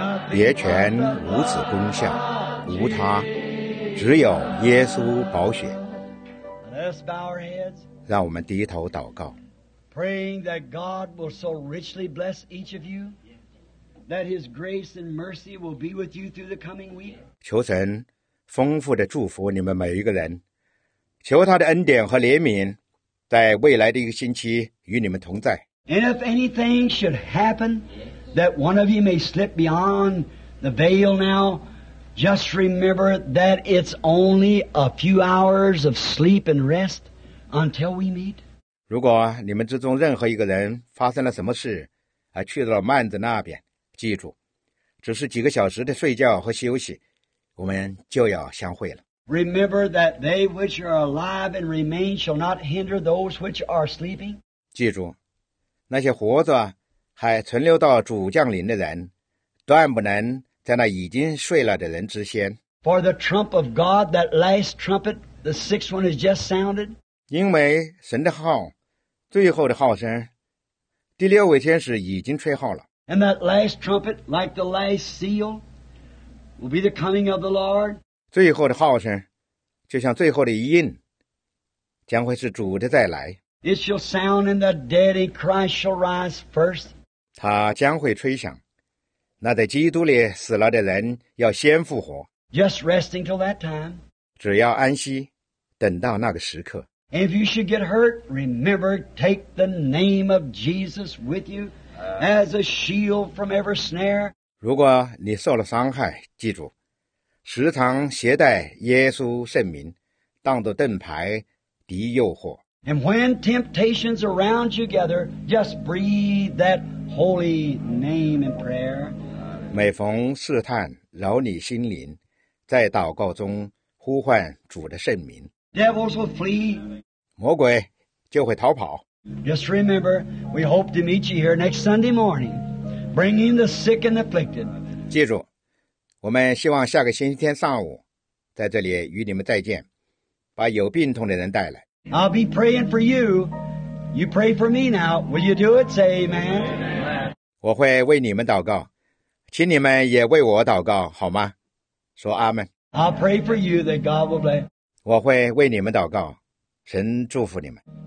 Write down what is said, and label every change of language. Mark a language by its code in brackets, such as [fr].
[zh] 别泉无此功效，无他，只有耶稣宝血。 [en] Let's bow our heads. [zh] 让我们低头祷告。 [en] Praying that God will so richly bless each of you, that His grace and mercy will be with you through the coming week. [zh] 求神丰富的祝福你们每一个人，求他的恩典和怜悯在未来的一个星期与你们同在。 [en] And if anything should happen, that one of you may slip beyond the veil now, just remember that it's only a few hours of sleep and rest until we meet. [zh] 如果你们之中任何一个人发生了什么事而去到了幔子那边，记住，只是几个小时的睡觉和休息，我们就要相会了。 [en] Remember that they which are alive and remain shall not hinder those which are sleeping. [zh] 记住，那些活着还存留到主降临的人，断不能在那已经睡了的人之先。 [en] For the trump of God, that last trumpet, the sixth one, has just sounded. [zh] 因为神的号，最后的号声，第六位天使已经吹号了。 [en] And that last trumpet, like the last seal, will be the coming of the Lord. [zh] 最后的号声，就像最后的一印，将会是主的再来。 [en] It shall sound, and the dead in Christ shall rise first. [zh] 它将会吹响，那在基督里死了的人要先复活。 [en] Just resting till that time. [zh] 只要安息，等到那个时刻。 [en] And if you should get hurt, remember, take the name of Jesus with you as a shield from every snare. [zh] 如果你受了伤害，记住，时常携带耶稣圣名，当作盾牌，敌诱惑。 [en] And when temptations around you gather, just breathe that holy name in prayer. [zh] 每逢试探扰你心灵，在祷告中呼唤主的圣名。 [en] Devils will flee. [zh] 魔鬼就会逃跑。 [en] Just remember, we hope to meet you here next Sunday morning, bringing the sick and afflicted. [zh] 记住，我们希望下个星期天上午在这里与你们再见，把有病痛的人带来。 [en] I'll be praying for you. You pray for me now. Will you do it? Say amen. [zh] 我会为你们祷告，请你们也为我祷告，好吗？说阿们。 [en] I'll pray for you that God will bless. [zh] 我会为你们祷告，神祝福你们。